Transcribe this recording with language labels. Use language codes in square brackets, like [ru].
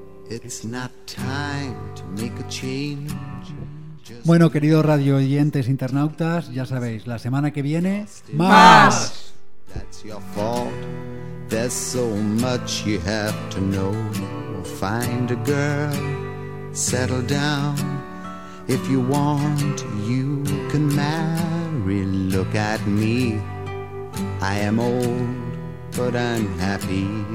[en] It's not time to make a change. [es] Bueno, queridos radio oyentes, internautas, ya sabéis, la semana que viene, ¡más! [en] That's your fault. There's so much you have to know. Find a girl, settle down. If you want, you can marry. Look at me, I am old, but I'm happy.